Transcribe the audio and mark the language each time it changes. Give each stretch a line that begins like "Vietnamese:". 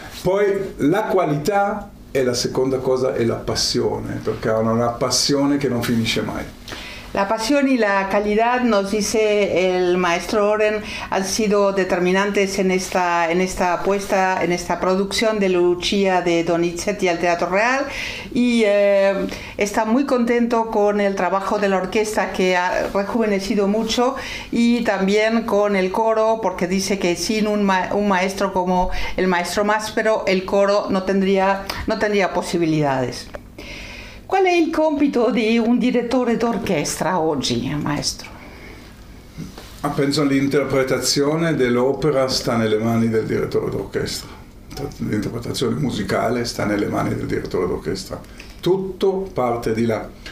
Italian: Poi la qualità e la seconda cosa è la passione, perché è una passione che non finisce mai.
Spanish: La pasión y la calidad, nos dice el maestro Oren, han sido determinantes en esta apuesta, en esta producción de Lucia de Donizetti al Teatro Real, y está muy contento con el trabajo de la orquesta, que ha rejuvenecido mucho, y también con el coro, porque dice que sin un maestro como el maestro Maspero, el coro no tendría posibilidades.
Italian: Qual è il compito di un direttore d'orchestra oggi, maestro? Penso l'interpretazione dell'opera sta nelle mani del direttore d'orchestra. L'interpretazione musicale sta nelle mani del direttore d'orchestra. Tutto parte di là.